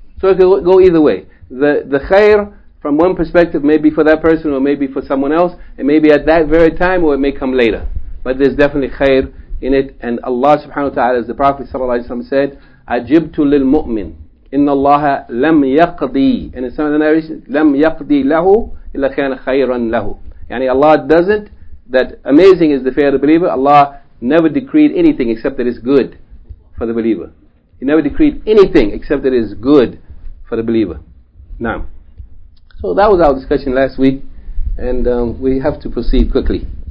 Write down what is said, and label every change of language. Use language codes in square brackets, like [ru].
[en] So it could go either way. The khair from one perspective may be for that person or maybe for someone else. It may be at that very time or it may come later. But there's definitely khair in it. And Allah subhanahu wa ta'ala, as the Prophet sallallahu alayhi wa sallam said, [ar] عَجِبْتُ لِلْمُؤْمِنِ إِنَّ اللَّهَ لَمْ يَقْضِي. [en] And in some of the narration, [ar] لَمْ يَقْضِي لَهُ إِلَّا كَانَ خَيْرًا لَهُ. [en] Yani Allah does it, that amazing is the fear of the believer. Allah never decreed anything except that it's good for the believer. He never decreed anything except that it's good for the believer. Now, so that was our discussion last week, and we have to proceed quickly.